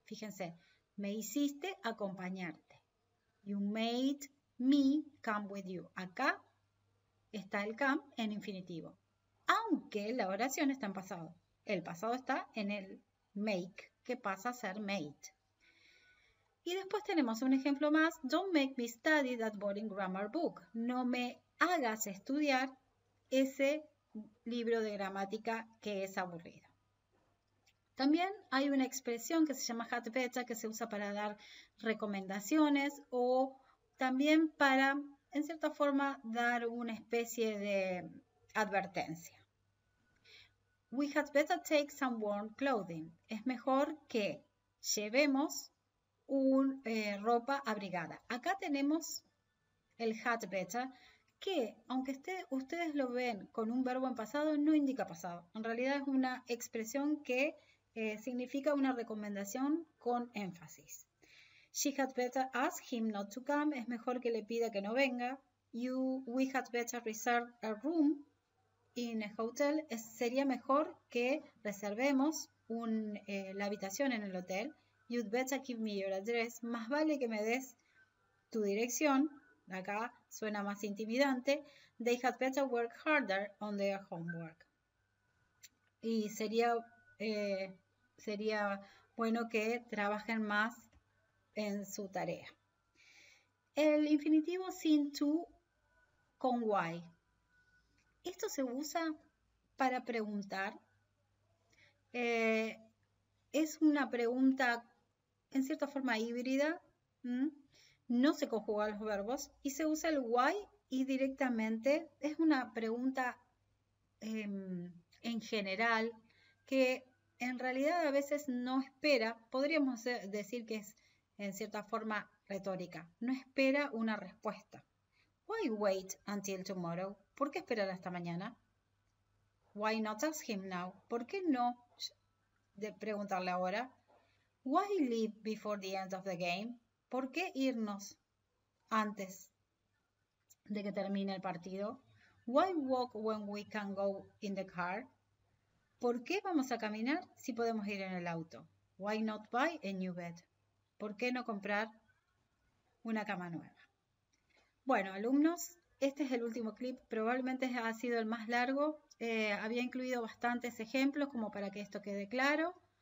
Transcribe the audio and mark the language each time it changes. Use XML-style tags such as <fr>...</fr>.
<es>Fíjense, me hiciste acompañarte.</es> <en>You made me come with you.</en> <es>Acá está el come en infinitivo. Aunque la oración está en pasado. El pasado está en el make, que pasa a ser made. Y después tenemos un ejemplo más.</es> <en>Don't make me study that boring grammar book.</en> <es>No me hagas estudiar ese libro de gramática que es aburrido. También hay una expresión que se llama hat beta, que se usa para dar recomendaciones o también para, en cierta forma, dar una especie de advertencia.</es> <en>We had better take some warm clothing.</en> <es>Es mejor que llevemos un ropa abrigada. Acá tenemos el had better, que aunque ustedes lo ven con un verbo en pasado, no indica pasado. En realidad es una expresión que significa una recomendación con énfasis.</es> <en>She had better ask him not to come.</en> <es>Es mejor que le pida que no venga.</es> <en>We had better reserve a room in a hotel.</en> <es>Sería mejor que reservemos la habitación en el hotel.</es> <en>You'd better give me your address.</en> <es>Más vale que me des tu dirección. Acá suena más intimidante.</es> <en>They had better work harder on their homework.</en> <es>Y sería bueno que trabajen más en su tarea. El infinitivo sin to con why. Esto se usa para preguntar. Es una pregunta en cierta forma híbrida. No se conjugan los verbos y se usa el why y directamente es una pregunta en general que en realidad a veces no espera, podríamos decir que es en cierta forma retórica, no espera una respuesta.</es> <en>Why wait until tomorrow?</en> <es>¿Por qué esperar hasta mañana?</es> <en>Why not ask him now?</en> <es>¿Por qué no de preguntarle ahora?</es> <en>Why leave before the end of the game?</en> <es>¿Por qué irnos antes de que termine el partido?</es> <en>Why walk when we can go in the car?</en> <es>¿Por qué vamos a caminar si podemos ir en el auto?</es> <en>Why not buy a new bed?</en> <es>¿Por qué no comprar una cama nueva? Bueno, alumnos, este es el último clip. Probablemente ha sido el más largo. Había incluido bastantes ejemplos como para que esto quede claro.</es>